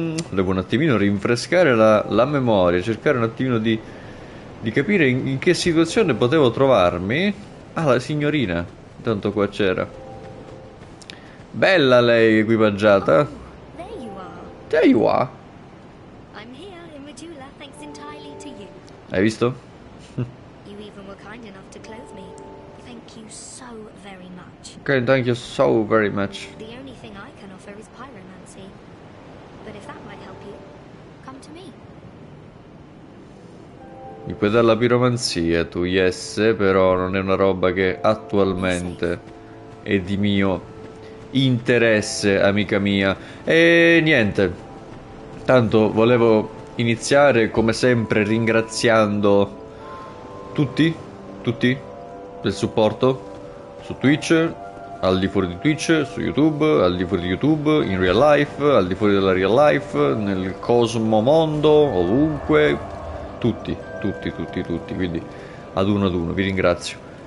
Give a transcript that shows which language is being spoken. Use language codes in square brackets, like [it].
[it] Devo un attimino rinfrescare la memoria, cercare un attimino di capire in che situazione potevo trovarmi. Ah, la signorina, tanto qua c'era. Bella lei, equipaggiata. [en] Oh, there you are. There you are. I'm here in Medulla, thanks entirely to you. [it] Hai visto? [en] You even were kind enough to clothe me. Thank you so very much. Okay, thank you so very much. The only thing I can offer is pyromancy. But if that might help you, come to me. [it] Mi puoi dare la piromanzia tu, [en] yes, [it] però non è una roba che attualmente è di mio interesse, amica mia. E niente, tanto volevo iniziare come sempre ringraziando tutti del supporto su Twitch, al di fuori di Twitch, su YouTube, al di fuori di YouTube, [en] in real life, [it] al di fuori della real life, nel cosmo mondo, ovunque, tutti, quindi ad uno vi ringrazio.